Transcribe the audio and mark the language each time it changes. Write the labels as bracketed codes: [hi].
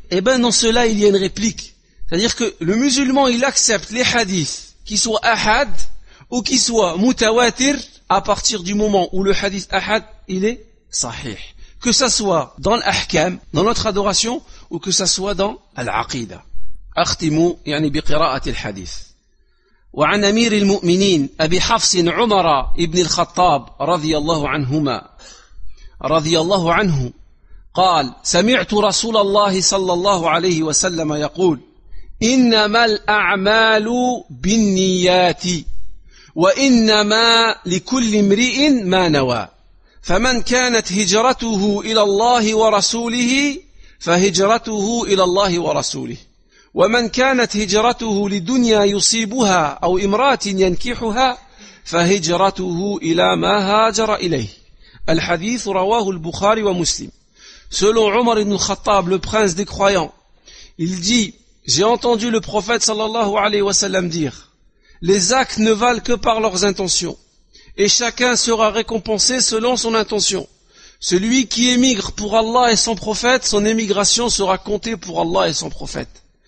[fr] Eh bien, dans cela, il y a une réplique. C'est-à-dire que le musulman, il accepte les hadiths, qu'ils soient ahad ou qu'ils soient mutawatir, à partir du moment où le hadith ahad, il est sahih. Que ça soit dans l'ahkam, dans notre adoration, ou que ça soit dans l'aqida. [ar] Akhtimu, yani biqira'ati al-hadith. وعن أمير المؤمنين أبي حفص عمر ابن الخطاب رضي الله عنهما رضي الله عنه قال سمعت رسول الله صلى الله عليه وسلم يقول إنما الأعمال بالنيات وإنما لكل امرئ ما نوى فمن كانت هجرته إلى الله ورسوله فهجرته إلى الله ورسوله ومن كانت هجرته لدنيا يصيبها أو امرأة ينكحها فهجرته إلى ما هاجر إليه. الحديث رواه البخاري ومسلم. [fr] Selon Omar ibn Khattab, le prince des croyants, il dit, j'ai entendu le prophète sallallahu alayhi wa sallam dire, les actes ne valent que par leurs intentions, et chacun sera récompensé selon son intention. Celui qui émigre pour Allah et son prophète, son émigration sera comptée pour Allah et son prophète.